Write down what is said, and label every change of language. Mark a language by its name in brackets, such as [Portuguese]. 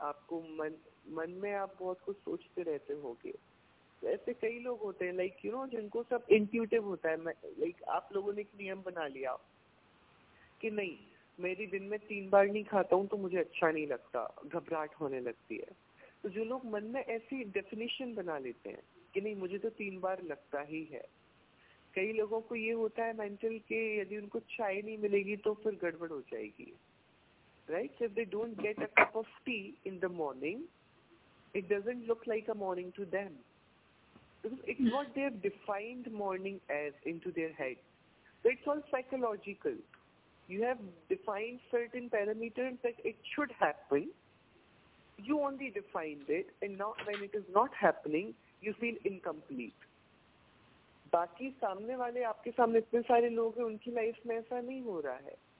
[Hindi] आपको मन में आप बहुत कुछ सोचते रहते होंगे, तो ऐसे कई लोग होते हैं [English] like you know, [Hindi] जिनको सब इंट्यूटिव होता है, लाइक आप लोगों ने एक नियम बना लिया कि नहीं, मेरी दिन में 3 बार नहीं खाता हूँ तो मुझे अच्छा नहीं लगता, घबराहट होने लगती है। तो जो लोग मन में ऐसी डेफिनेशन बना लेते हैं कि नहीं मुझे तो 3 बार लगता ही है, कई लोगों को ये होता है मेंटल के यदि उनको चाय नहीं मिलेगी तो फिर गड़बड़ हो जाएगी, right? [English] If they don't get a cup of tea in the morning, it doesn't look like a morning to them, because it's what they have defined morning as into their head. So it's all psychological. You have defined certain parameters that it should happen. You only defined it, and now when it is not happening, you feel incomplete. [Hindi] बाकी सामने वाले, आपके सामने इतने सारे लोग हैं, उनकी लाइफ में ऐसा नहीं हो रहा है.